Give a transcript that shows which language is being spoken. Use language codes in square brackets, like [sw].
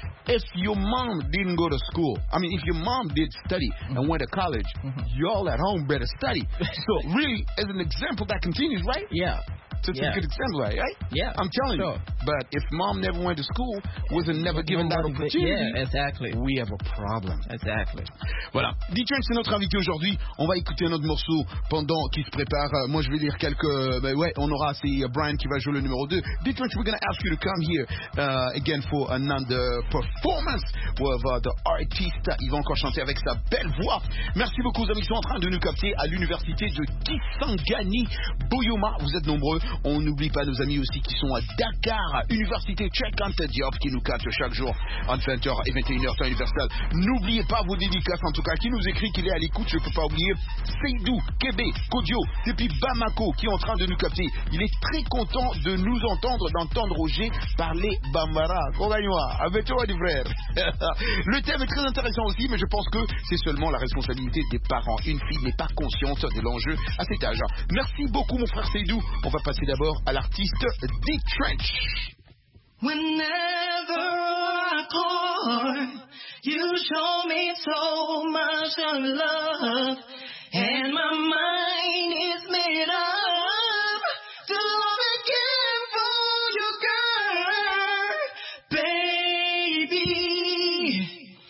[en] If your mom didn't go to school, I mean, if your mom did study and went to college, y'all at home better study. So, really, as an example, that continues, right? Yeah. So, it's a good example, right? Yeah. I'm telling you. But if mom never went to school, wasn't never given that opportunity, yeah, exactly. We have a problem. Exactly. [fr] Voilà. D-Trent, c'est notre invité aujourd'hui. On va écouter un autre morceau pendant qu'il se prépare. Moi, je vais lire quelques... Mais ouais, on aura... C'est Brian qui va jouer le numéro 2. [en] D-Trent, we're going to ask you to come here again for another performance with the artist. [fr] Il va encore chanter avec sa belle voix. Merci beaucoup, amis. Ils sont en train de nous capter à l'université de Kisangani, Boyoma. Vous êtes nombreux. On n'oublie pas nos amis aussi qui sont à Dakar, Université Cheikh Diop, qui nous capte chaque jour entre 20h et 21h, temps universel. N'oubliez pas vos dédicaces, en tout cas, qui nous écrit, qu'il est à l'écoute, je ne peux pas oublier. Seydou, Kébé, Kodio, et puis Bamako, qui est en train de nous capter. Il est très content de nous entendre, d'entendre Roger parler Bambara. Kogaywa, avec toi, du frère. Le thème est très intéressant aussi, mais je pense que c'est seulement la responsabilité des parents. Une fille n'est pas consciente de l'enjeu à cet âge. Merci beaucoup, mon frère Seydou. On va passer d'abord à l'artiste D-Trench. [en] Whenever I call, you show me so much of love, and my mind is made up to love again for you, girl, baby.